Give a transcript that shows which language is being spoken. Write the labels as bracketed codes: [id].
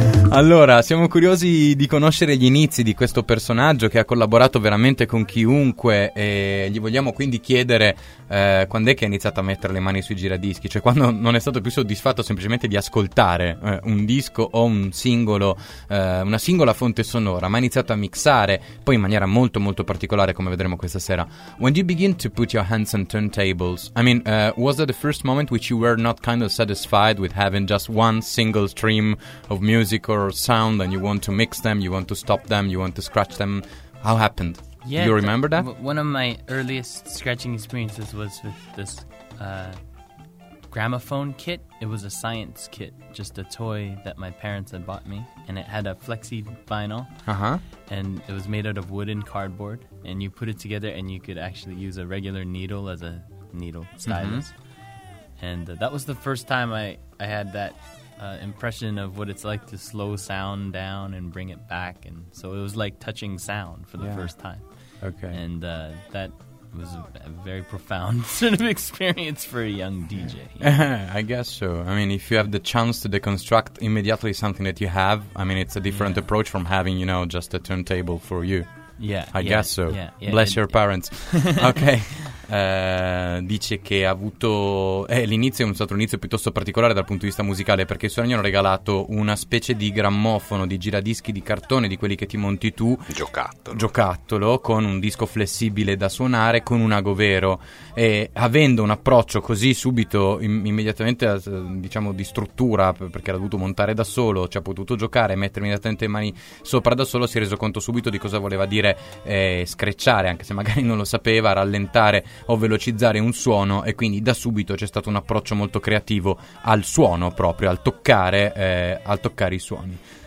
[it] Allora, siamo curiosi di conoscere gli inizi di questo personaggio che ha collaborato veramente con chiunque e gli vogliamo quindi chiedere quando è che ha iniziato a mettere le mani sui giradischi, cioè quando non è stato più soddisfatto semplicemente di ascoltare un disco o un singolo, una singola fonte sonora, ma ha iniziato a mixare poi in maniera molto molto particolare, come vedremo questa sera. [en] When did you begin to put your hands on turntables? I mean, was that the first moment which you were not kind of satisfied with having just one single stream of music or sound, and you want to mix them, you want to stop them, you want to scratch them? How happened? Yeah, do you remember that? One of my earliest scratching experiences was with this gramophone kit. It was a science kit, just a toy that my parents had bought me, and it had a flexi vinyl. Uh-huh. And it was made out of wood and cardboard, and you put it together and you could actually use a regular needle as a needle stylus. Mm-hmm. And that was the first time I had that impression of what it's like to slow sound down and bring it back, and so it was like touching sound for the first time. Okay. And that was a very profound sort of experience for a young DJ. I guess so. I mean, if you have the chance to deconstruct immediately something that you have, I mean, it's a different approach from having, you know, just a turntable for you. Yeah, I guess so. Yeah, bless your parents. Okay. [it] Dice che ha avuto l'inizio è stato un inizio piuttosto particolare dal punto di vista musicale, perché i suoi hanno regalato una specie di grammofono, di giradischi di cartone, di quelli che ti monti tu, giocattolo con un disco flessibile da suonare con un ago vero, e avendo un approccio così subito immediatamente diciamo di struttura, perché l'ha dovuto montare da solo, ci ha potuto giocare, mettere immediatamente le mani sopra da solo, si è reso conto subito di cosa voleva dire screcciare, anche se magari non lo sapeva, rallentare o velocizzare un suono, e quindi da subito c'è stato un approccio molto creativo al suono, proprio al toccare i suoni.